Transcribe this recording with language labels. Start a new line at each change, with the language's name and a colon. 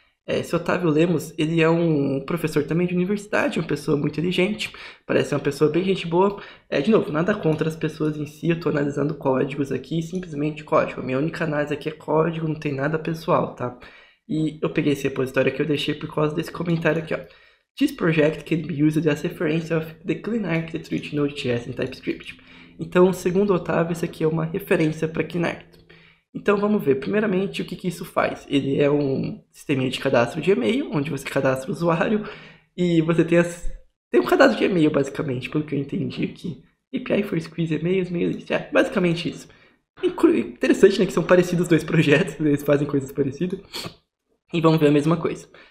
Portuguese: Esse Otávio Lemos, ele é um professor também de universidade, uma pessoa muito inteligente, parece uma pessoa bem gente boa. De novo, nada contra as pessoas em si, eu estou analisando códigos aqui, simplesmente código. A minha única análise aqui é código, não tem nada pessoal, tá? E eu peguei esse repositório que eu deixei por causa desse comentário aqui, ó.
English: This project can be used as reference of the Clean Architecture in Node.js and TypeScript.
Portuguese: Então, segundo o Otávio, isso aqui é uma referência para Clean Architecture. Então vamos ver, primeiramente o que que isso faz? Ele é um sistema de cadastro de e-mail, onde você cadastra o usuário e você tem, tem um cadastro de e-mail, basicamente, pelo que eu entendi aqui.
English: API for Squeeze e-mails, mail list,
Portuguese: basicamente isso. Interessante, né, que são parecidos os dois projetos, eles fazem coisas parecidas. E vamos ver a mesma coisa.